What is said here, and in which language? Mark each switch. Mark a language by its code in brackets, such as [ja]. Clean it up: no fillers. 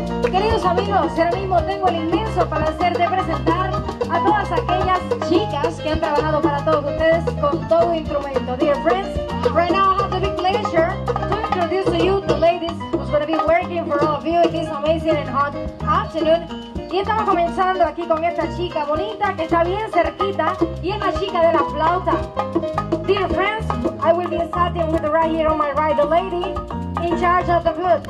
[es] Queridos amigos, ahora mismo tengo el inmenso placer de presentar a todas aquellas chicas que han trabajado para todos ustedes con todo instrumento. [en] Dear friends, right now I have the big pleasure to introduce to you the ladies who's going to be working for all of you in this amazing and hot afternoon. [es] Y estamos comenzando aquí con esta chica bonita que está bien cerquita y es la chica de la flauta. [en] Dear friends, I will be starting with right here on my right, the lady in charge of the flute.